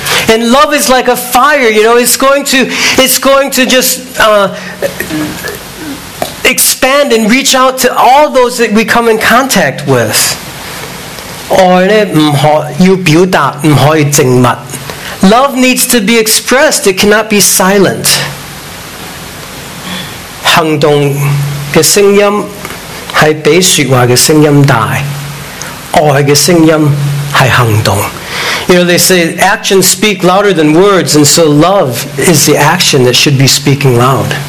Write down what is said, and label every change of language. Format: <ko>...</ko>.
<en>and love is like a fire, you know, it's going to just expand and reach out to all those that we come in contact with.</en> <zh>爱呢,要表达,不可以静默。</zh> <en>Love needs to be expressed. It cannot be silent.</en> <zh>行动的声音是比说话的声音大，爱的声音是行动。</zh> <en>You know, they say actions speak louder than words, and so love is the action that should be speaking loud.</en>